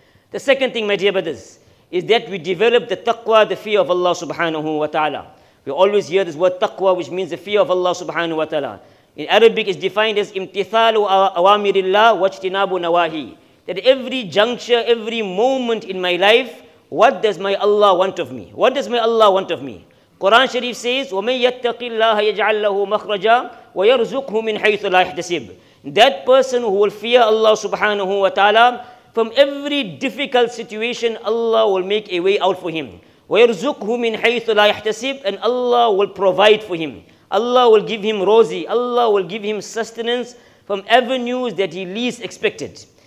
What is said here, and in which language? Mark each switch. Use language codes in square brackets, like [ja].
[en] The second thing, my dear brothers, is that we develop the taqwa, the fear of Allah subhanahu wa ta'ala. We always hear this word taqwa, which means the fear of Allah subhanahu wa ta'ala. In Arabic, it's defined as [ar] imtithalu awamirillah wa ijtinabu nawahi. [en] That every juncture, every moment in my life, what does my Allah want of me? What does my Allah want of me? Quran Sharif says, [ar] وَمَنْ يَتَّقِ اللَّهَ يَجْعَلْ لَهُ مَخْرَجًا وَيَرْزُقْهُ مِنْ حَيْثُ لَا يَحْتَسِبْ. [en] That person who will fear Allah subhanahu wa ta'ala, from every difficult situation, Allah will make a way out for him. [ar] وَيَرْزُقْهُ مِنْ حَيْثُ لَا يَحْتَسِبْ. [en] And Allah will provide for him. Allah will give him rozi. Allah will give him sustenance from avenues that he least expected.